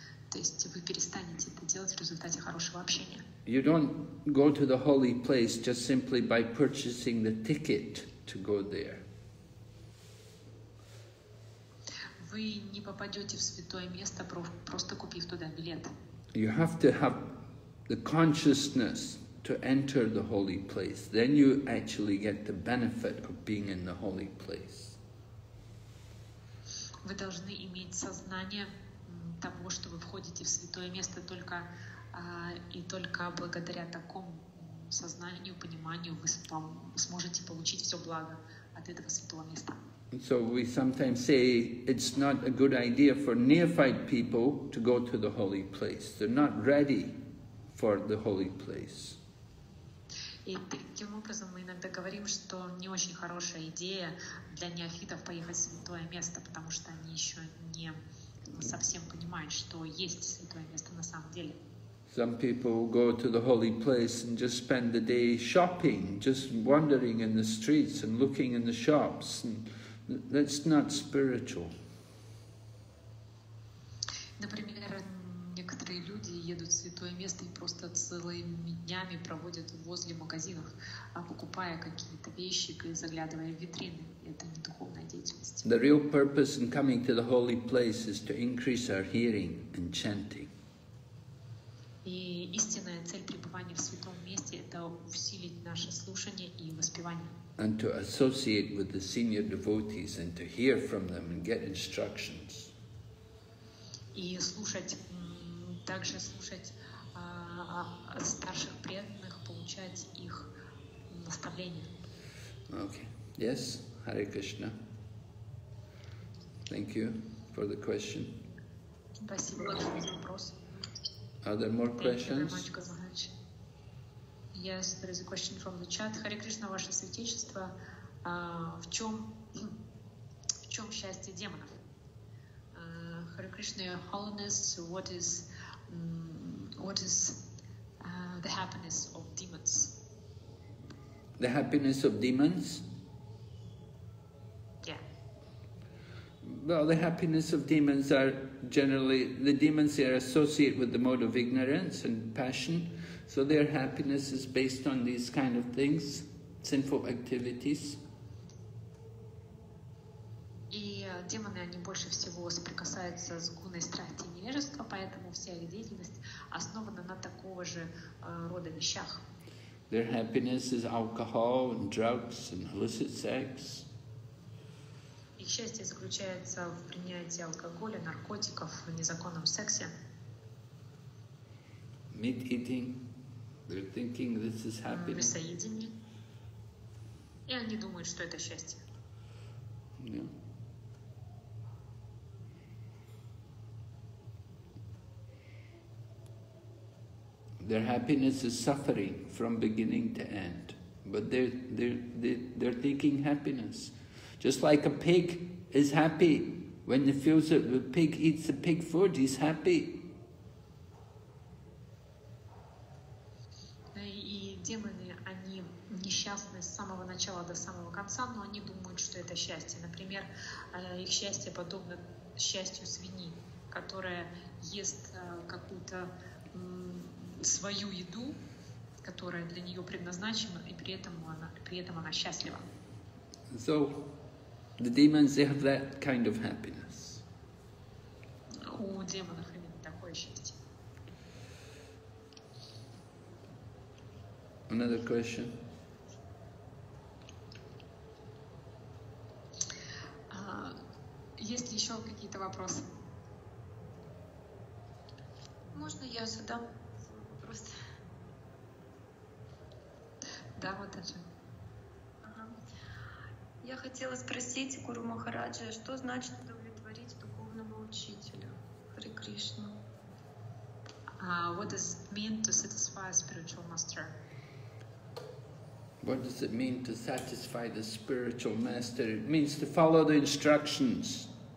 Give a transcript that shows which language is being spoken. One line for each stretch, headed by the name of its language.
Russian: То есть вы перестанете это делать в результате хорошего общения.
English: You don't go to the holy place just simply by purchasing the ticket to go there.
Russian: Вы не попадете в святое место, просто купив туда билет.
English: You have to have the consciousness to enter the holy place. Then you actually get the benefit of being in the holy place.
Russian: Вы должны иметь сознание того, что вы входите в святое место только и только благодаря такому сознанию, пониманию вы сможете получить все благо от этого святого места.
English: So we sometimes say it's not a good idea for neophyte people to go to the holy place. They're not ready for the holy place.
Russian: И таким образом мы иногда говорим, что не очень хорошая идея для неофитов поехать в святое место, потому что они еще не совсем понимают, что есть святое место на самом деле.
English: Some people go to the holy place and just spend the day shopping, just wandering in the streets and looking in the shops. And that's not spiritual.
Russian: Например, некоторые люди едут в святое место и просто целыми днями проводят возле магазинов, покупая какие-то вещи и заглядывая в витрины. Это не духовная деятельность.
English: The real purpose in coming to the holy place is to increase our hearing and chanting.
Russian: И истинная цель пребывания в святом месте — это усилить наше слушание и воспевание.
English: And to associate with the senior devotees and to hear from them and get instructions.
Russian: И слушать, также слушать старших преданных, получать их наставления.
English: Okay. Yes, Hare Krishna. Thank you for the question.
Russian: Спасибо большое за вопрос.
English: Are there more questions? Thank you very much, Казахач. Yes, there is a question from the chat.
Russian: Hare Krishna, Ваше Святейшество. В чем счастье демонов?
English: Hare Krishna, Your Holiness, what is the happiness of demons? The happiness of demons? Yeah. Well, the happiness of demons are generally, the demons are associated with the mode of ignorance and passion. So their happiness is based on these kind of things, sinful activities.
Russian: И демоны, они больше всего соприкасаются с гуной страсти и невежества, поэтому вся их деятельность основана на такого же рода вещах.
English: Their happiness is alcohol and drugs and illicit sex.
Russian: Их счастье заключается в принятии алкоголя, наркотиков, в незаконном сексе.
English: Meat eating. They're thinking this is happiness.
Russian: Мясоедение. И они думают, что это счастье.
English: Yeah. Their happiness is suffering from beginning to end, but they're thinking happiness. Just like a pig is happy when he feels that the pig eats the pig food, he's happy.
Russian: И демоны, они несчастны с самого начала до самого конца, но они думают, что это счастье. Например, их счастье подобно счастью свиньи, которая ест какую-то свою еду, которая для нее предназначена, и при этом она счастлива.
English: So, the demons, they have that kind of happiness.
Russian: У демонов именно такое счастье.
English: Another question.
Russian: Есть ли еще какие-то вопросы? Можно я задам вопрос? Да, вот это. Я хотела спросить Гуру Махараджа, что значит удовлетворить духовного учителя? Хари Кришна.
English: What does it mean to satisfy a spiritual master? What does it mean to satisfy the spiritual master? It means to follow the instructions.